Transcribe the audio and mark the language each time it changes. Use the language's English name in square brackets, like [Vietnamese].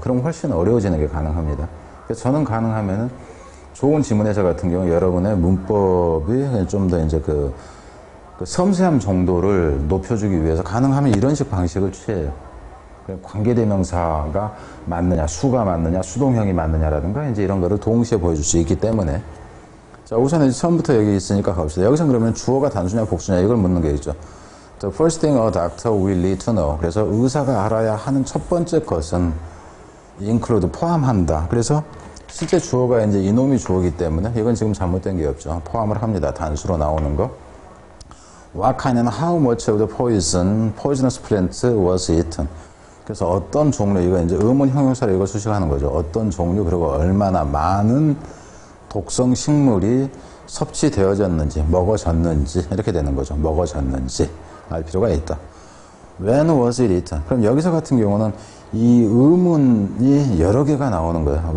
[Korean] 그럼 훨씬 어려워지는 게 가능합니다. 그래서 저는 가능하면은 좋은 지문에서 같은 경우 여러분의 문법이 좀 더 이제 그 섬세함 정도를 높여주기 위해서 가능하면 이런 식 방식을 취해요. 관계대명사가 맞느냐, 수가 맞느냐, 수동형이 맞느냐라든가 이제 이런 거를 동시에 보여줄 수 있기 때문에. 자, 우선 이제 처음부터 여기 있으니까 가봅시다. 여기서 그러면 주어가 단수냐, 복수냐 이걸 묻는 게 있죠. [English] The first thing a doctor will need to know. [Korean] 그래서 의사가 알아야 하는 첫 번째 것은 include, 포함한다. 그래서 실제 주어가 이제 이놈이 주어이기 때문에 이건 지금 잘못된 게 없죠. 포함을 합니다. 단수로 나오는 거. [English] What kind and how much of the poisonous plant was eaten? [Korean] 그래서 어떤 종류, 이거 이제 의문 형용사로 이걸 수식하는 거죠. 어떤 종류, 그리고 얼마나 많은 독성 식물이 섭취되어졌는지, 먹어졌는지, 이렇게 되는 거죠. 먹어졌는지, 알 필요가 있다. [English] When was it eaten? [Korean] 그럼 여기서 같은 경우는 이 의문이 여러 개가 나오는 거예요.